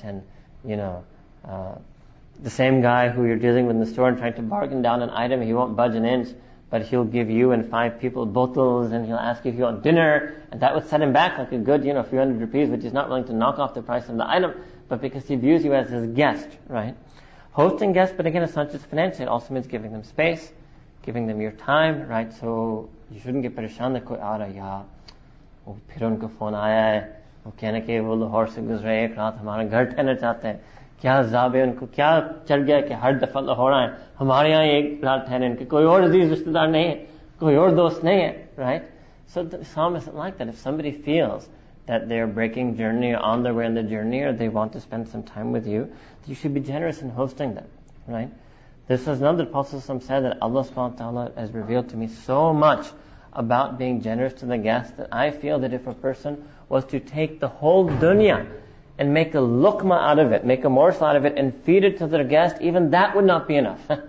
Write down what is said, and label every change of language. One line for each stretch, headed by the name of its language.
English: And, you know, the same guy who you're dealing with in the store and trying to bargain down an item, he won't budge an inch, but he'll give you and five people bottles, and he'll ask you if you want dinner, and that would set him back like a good, you know, few hundred rupees, which he's not willing to knock off the price of the item, but because he views you as his guest, right? Hosting guests, but again, it's not just financial. It also means giving them space, giving them your time, right? So you shouldn't get
Urdu: پریشان that کوئی آ رہا یا وہ پھر ان کو phone آیا ہے وہ کہنے کے وہ لاہور سے گزرے ایک رات ہمارا گھر ٹھہرنا چاہتے ہیں کیا عذاب ہے ان کو کیا چل گیا کہ ہر دفعہ لاہور آئے ہمارے یہاں ایک رات ٹھہرنے ان کے کوئی اور عزیز رشتہ دار نہیں ہے کوئی اور دوست نہیں ہے، right?
English: So the psalm isn't like that. If somebody feels that they're breaking journey on their way on the journey, or they want to spend some time with you, you should be generous in hosting them, right? This is another Prophet ﷺ said that Allah subhanahu wa ta'ala has revealed to me so much about being generous to the guests that I feel that if a person was to take the whole dunya and make a luqma out of it, make a morsel out of it and feed it to their guest, even that would not be enough.